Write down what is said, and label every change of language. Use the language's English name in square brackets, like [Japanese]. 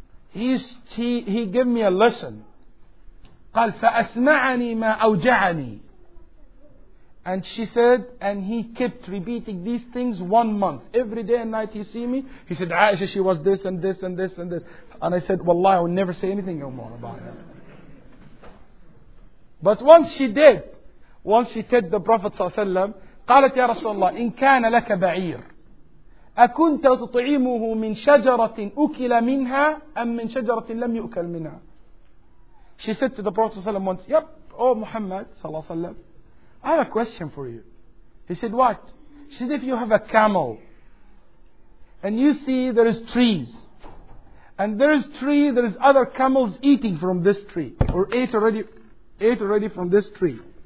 [English] He gave me a lesson. [Arabic] قال فأسمعني ما أوجعني. [English] And she said, and he kept repeating these things 1 month. Every day and night he see me. He said, Aisha, she was this and this and this and this. And I said, wallahi, I will never say anything more about her. But once she did the Prophet sallallahu alaihi wasallam, [Arabic] قالت يا رسول الله, إن كان لك بعير, أكنت تطعمه من شجرة أكل منها أم من شجرة لم يؤكل منها? [English] She said to the Prophet sallallahu alaihi wasallam once, yep, oh Muhammad sallallahu alaihi wasallam, I have a question for you. He said, what? She said, if you have a camel, and you see there is trees, and there is tree, there is other camels eating from this tree, or ate already from this tree.